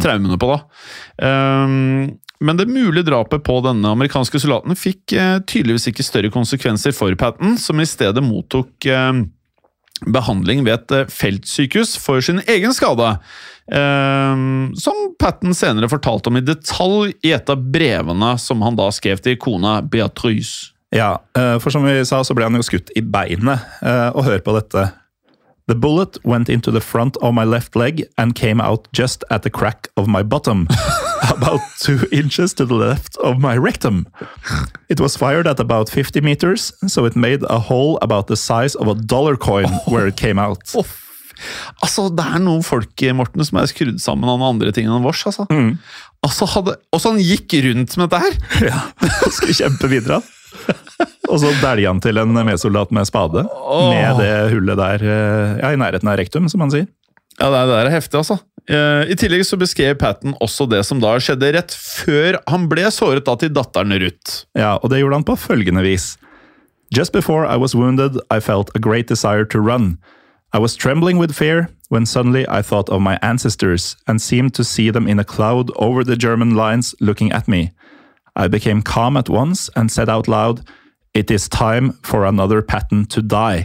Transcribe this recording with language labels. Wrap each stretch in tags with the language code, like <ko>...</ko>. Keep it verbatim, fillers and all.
<no>traumene på da. Um, Men det mulige drapet på denne amerikanske soldaten fikk eh, tydeligvis ikke større konsekvenser for Patton, som i stedet mottok eh, behandling ved et feltsykehus for sin egen skade, eh, som Patton senere fortalte om i detalj i et av brevene som han da skrev til kona Beatrice. Ja, for som vi sa så ble han jo skutt i beinet, eh, og hør på dette.</no> <en>The bullet went into the front of my left leg and came out just at the crack of my bottom, about two inches to the left of my rectum. It was fired at about fifty meters, so it made a hole about the size of a dollar coin where it came out. Oh, oh.</en> <no>Altså, det er noen folk, Morten, som er skrudd sammen av andre ting enn vårs, altså. Mm. Altså, hadde, også han gikk rundt med dette her. Ja, han skulle kjempe videre. Og så dælger han til en medsoldat med spade, oh. med det hullet der, ja, i nærheten av rektum, som han sier. Ja, det er heftig, altså. I tillegg så beskrev Patton også det som da skjedde rett før han ble såret da til datteren Ruth. Ja, og det gjorde han på følgende vis.</no> <en>Just before I was wounded, I felt a great desire to run. I was trembling with fear when suddenly I thought of my ancestors and seemed to see them in a cloud over the German lines looking at me. I became calm at once and said out loud, "It is time for another Patton to die."</en>